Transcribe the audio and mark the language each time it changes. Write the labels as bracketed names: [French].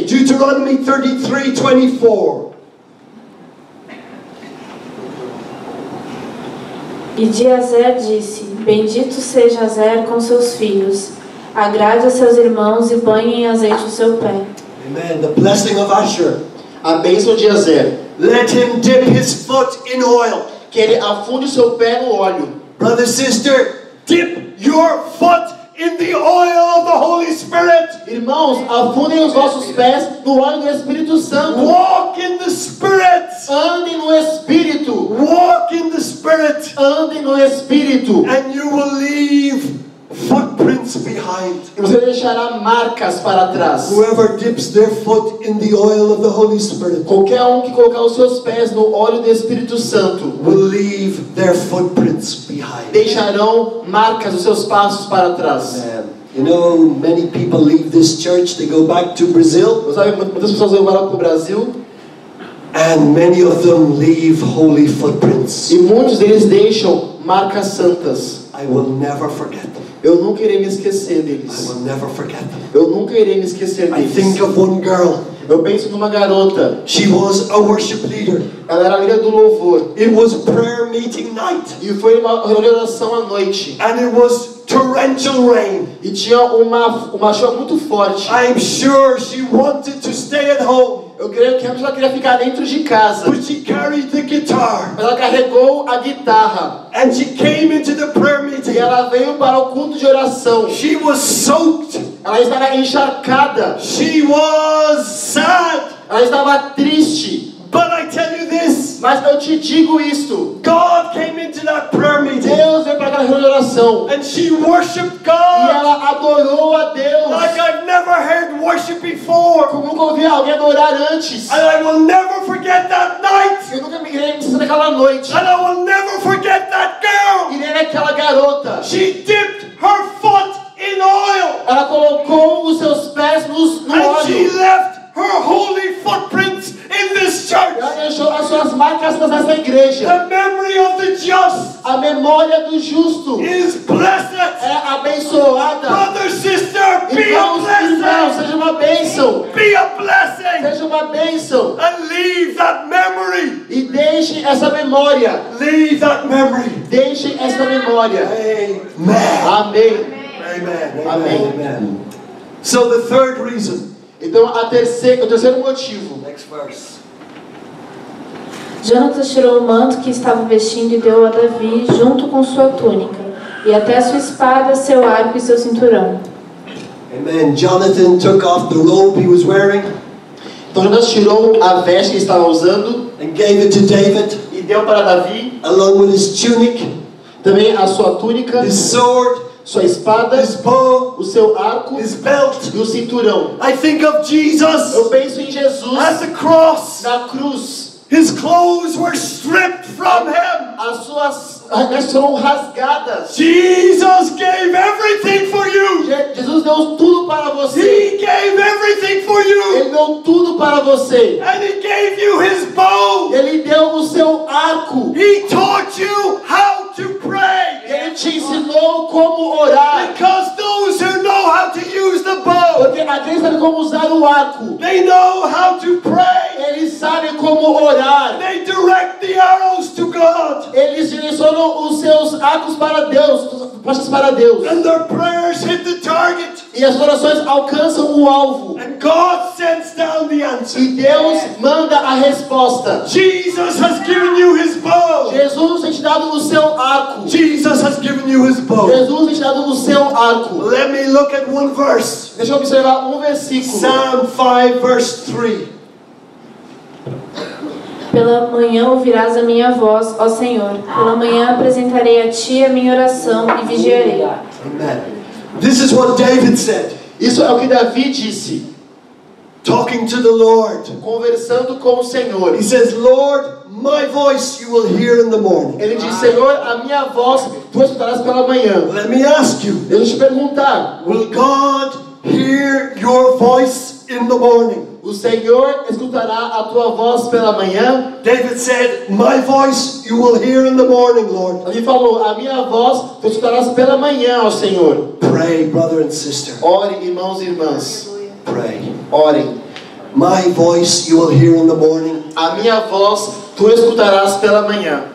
[English] Deuteronomy 33:24. [Portuguese] E Jazer disse: Bendito seja Jazer com seus filhos. Agrade a seus irmãos e banhe em azeite o seu pé. [English] Amen. The blessing of Asher. [Portuguese] A bênção de Jazer. [English] Let him dip his foot in oil. [Portuguese] Que ele afunde seu pé no óleo. [English] Brother, sister, dip your foot in the oil of the Holy Spirit. [Portuguese] Irmãos, afundem os vossos pés no óleo do Espírito Santo. [English] Walk in the Spirit. [Portuguese] Ande no Espírito. [English] Walk in the Spirit. [Portuguese] Ande no Espírito. [English] And you will leave footprints behind. [Portuguese] Você deixará marcas para trás. [English] Whoever dips their foot in the oil of the Holy Spirit. [Portuguese] Qualquer um que colocar os seus pés no óleo do Espírito Santo. [English] Will leave their footprints behind. [Portuguese] Deixarão marcas, os seus passos para trás. [English] Amen. You know, many people leave this church, they go back to Brazil. [Portuguese] Sabe, muitas pessoas vão para o Brasil. [English] And many of them leave holy footprints. [Portuguese] E muitos deles deixam marcas santas. [English] I will never forget them. [Portuguese] Eu nunca irei me esquecer deles. [English] I will never forget them. [Portuguese] Eu nunca irei me esquecer deles. [English] I think of one girl. [Portuguese] Eu penso numa garota. [English] She was a worship leader. [Portuguese] Ela era a líder do louvor. [English] It was prayer meeting night. [Portuguese] E foi uma reunião de oração à noite. [English] And it was torrential rain. [Portuguese] E tinha uma chuva muito forte. [English] I'm sure she wanted to stay at home. [Portuguese] Eu creio que ela queria ficar dentro de casa. [English] But she carried the guitar. [Portuguese] Mas ela carregou a guitarra. [English] And she came into the prayer meeting. [Portuguese] E ela veio para o culto de oração. [English] She was soaked. [Portuguese] Ela estava encharcada. [English] She was sad. [Portuguese] Ela estava triste. [English] But I tell you this. [Portuguese] Mas eu te digo isso. [English] God came into that prayer meeting. [Portuguese] Deus veio para aquela reunião de oração. [English] And she worshiped God. [Portuguese] E ela adorou a Deus. [English] Like I've never heard worship before. [Portuguese] Como nunca ouvi alguém adorar antes. [English] And I will never forget that night. [Portuguese] Eu nunca me esqueci daquela noite. [English] And I will never forget that girl. [Portuguese] E nem aquela garota. [English] She dipped her foot in oil. [Portuguese] Ela colocou os seus pés no óleo. [English] And she left her holy footprints in this church. [Portuguese] Ela deixou as suas marcas nessa igreja. [English] The memory of the just. [Portuguese] A memória do justo. [English] Is blessed. [Portuguese] É abençoada. [English] Brother, sister, be a blessing. [Portuguese] Irmão, seja uma bênção. [English] Be a blessing. [Portuguese] Seja uma bênção. [English] And leave that memory. [Portuguese] E deixe essa memória. [English] Leave that memory. [Portuguese] Deixe essa memória. [English] Amen. [Portuguese] Amém. Amém. [English] Amen. Amen. Amen. Amen. So the third reason. [Portuguese] Então o terceiro motivo. [English] Next verse. [Portuguese] Jonatas tirou o manto que estava vestindo e deu a Davi junto com sua túnica e até sua espada, seu arco e seu cinturão. [English] Amen. Jonathan took off the robe he was wearing. [Portuguese] Então Jonatas tirou a veste que estava usando. [English] And gave it to David. [Portuguese] E deu para Davi. [English] Along with his tunic. [Portuguese] Também a sua túnica. [English] His sword. [Portuguese] Sua espada, [English] his bow, [Portuguese] o seu arco, [English] his belt, [Portuguese] e o cinturão. [English] I think of Jesus. [Portuguese] Eu penso em Jesus. [English] At the cross. [Portuguese] Na cruz. [English] His clothes were stripped from him. [Portuguese] As suas vestes foram rasgadas. [English] Jesus gave everything for you. [Portuguese] Jesus deu tudo para você. [English] He gave everything for you. [Portuguese] Ele deu tudo para você. [English] And he gave you his bow. [Portuguese] Ele deu o seu arco. [English] He taught you how to pray. [Portuguese] Ele te ensinou como orar. [English] Because those who know how to use the bow. [Portuguese] Porque aqueles sabem como usar o arco. [English] They know how to pray. [Portuguese] Eles sabem como orar. [English] They direct the arrows to God. [Portuguese] Eles direcionam os seus arcos para Deus, flechas para Deus. [English] And their prayers hit the target. [Portuguese] E as orações alcançam o alvo. [English] And God sends down the answer. [Portuguese] E Deus manda a resposta. [English] Jesus has given you his bow. [Portuguese] Jesus tem te dado o seu arco. [English] Jesus has given you his bow. [Portuguese] Jesus tem te dado o seu arco. [English] Let me look at one verse. [Portuguese] Deixa eu observar um versículo. [English] Psalm 5 verse 3. [Portuguese] Pela manhã ouvirás a minha voz, ó Senhor. Pela manhã apresentarei a Ti a minha oração e vigiarei. [English] Amen. This is what David said. [Portuguese] Isso é o que Davi disse. [English] Talking to the Lord. [Portuguese] Conversando com o Senhor. [English] He says, Lord, my voice you will hear in the morning. [Portuguese] Ele diz, Senhor, a minha voz tu escutarás pela manhã. [English] Let me ask you. [Portuguese] Deixa eu te perguntar. [English] Will God hear your voice in the morning? [Portuguese] O Senhor escutará a tua voz pela manhã? [English] David said, my voice you will hear in the morning, Lord. [Portuguese] Ele falou, a minha voz tu escutarás pela manhã, ó Senhor. [English] Pray, brother and sister. [Portuguese] Ore, irmãos e irmãs. [English] Pray. [Portuguese] Ore. [English] My voice you will hear in the morning. [Portuguese] A minha voz tu escutarás pela manhã.